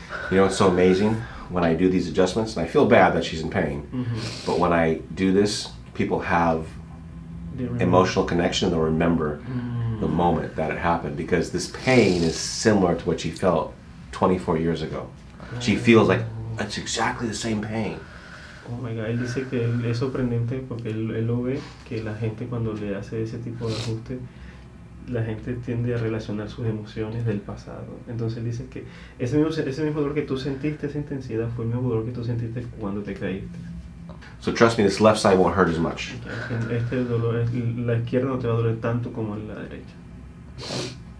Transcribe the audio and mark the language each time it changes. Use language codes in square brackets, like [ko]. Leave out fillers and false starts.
[en] You know, it's so amazing when I do these adjustments, and I feel bad that she's in pain, mm-hmm. but when I do this, people have emotional connection, they'll remember the moment that it happened, because this pain is similar to what she felt 24 years ago. She feels like it's exactly the same pain. Oh my God, [es] él dice que es sorprendente porque él lo ve, que la gente cuando le hace ese tipo de ajuste, la gente tiende a relacionar sus emociones del pasado. Entonces dices que ese mismo dolor que tú sentiste, esa intensidad, fue el mismo dolor que tú sentiste cuando te caíste. [en] So trust me, this left side won't hurt as much. [es] Este dolor, la izquierda no te va a doler tanto como la derecha.